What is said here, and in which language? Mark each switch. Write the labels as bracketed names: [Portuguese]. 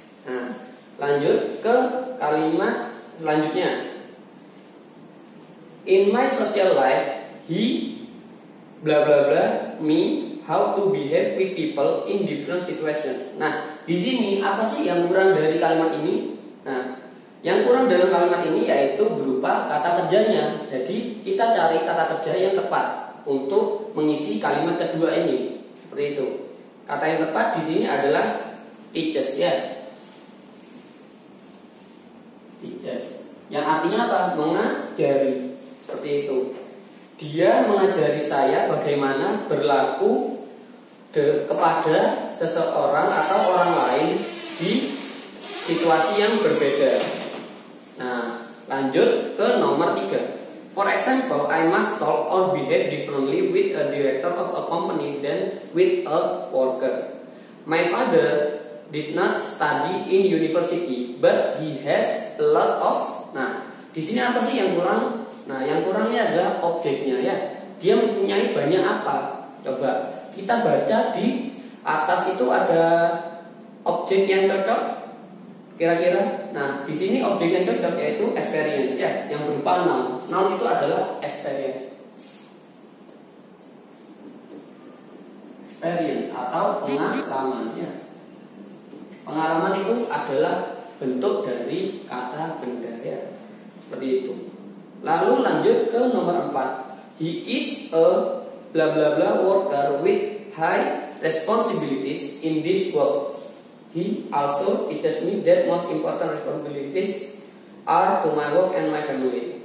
[Indonesian] Nah, lanjut ke kalimat selanjutnya. [English] In my social life, he bla bla bla me how to behave with people in different situations. [Indonesian] Nah, di sini apa sih yang kurang dari kalimat ini? Nah, yang kurang dalam kalimat ini yaitu berupa kata kerjanya. Jadi kita cari kata kerja yang tepat untuk mengisi kalimat kedua ini seperti itu. Kata yang tepat di sini adalah teaches ya. Teaches. Yang artinya apa? Mengajari seperti itu. Dia mengajari saya bagaimana berlaku kepada seseorang atau orang lain di situasi yang berbeda. Nah, lanjut ke nomor 3. [English] For example, I must talk or behave differently with a director of a company than with a worker. My father did not study in university, but he has a lot of. [Indonesian] Nah, di sini apa sih yang kurang? Nah, yang kurangnya adalah objeknya ya. Dia mempunyai banyak apa? Coba kita baca di atas itu ada objek yang cocok. Kira-kira. Nah, di sini objek yang cocok yaitu experience ya, yang berupa noun. Noun itu adalah experience. Experience atau pengalaman ya. Pengalaman itu adalah bentuk dari kata benda ya. Seperti itu. Lalu lanjut ke nomor 4. [English] He is a bla bla bla worker with high responsibilities in this work. He also teaches me that most important responsibilities are to my work and my family.